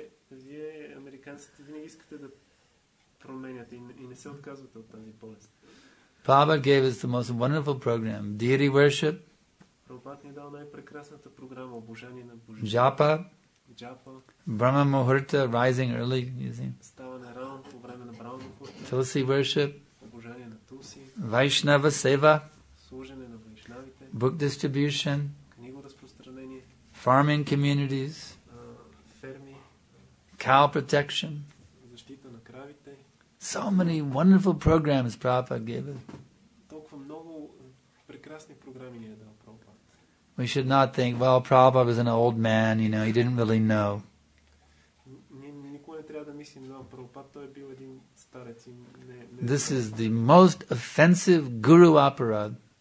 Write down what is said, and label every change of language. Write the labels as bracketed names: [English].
[Bulgarian] Вие американците винаги искате да променяте и не се отказвате от тази болест. [English] Prabhupada gave us the most wonderful program, deity worship. [Bulgarian] Prabhupada ни дал най-прекрасната програма, обожание на Божието. Japa. [Sanskrit] Japa. [English] Brahma Muhurta, rising early, you see. [Bulgarian] Ставане рано по време на Брахма Мухурта. [English] Tulsi worship. [Bulgarian] Обожание на Тулси. [Sanskrit] Vaishnava seva. [Bulgarian] Служене на [English] book distribution, [Bulgarian] книго разпространение, [English] farming communities, [Bulgarian] ферми, [English] cow protection, [Bulgarian] защита на кравите. [English] So many wonderful programs Prabhupada gave us. [Bulgarian] Толкова много прекрасни програми ни е дал Прабхупада. [English] We should not think, well, Prabhupada was an old man, you know, he didn't really know. [Bulgarian] Никой не трябва да мисли, но Прабхупада той е бил един старец. [English] This is the most offensive guru opera.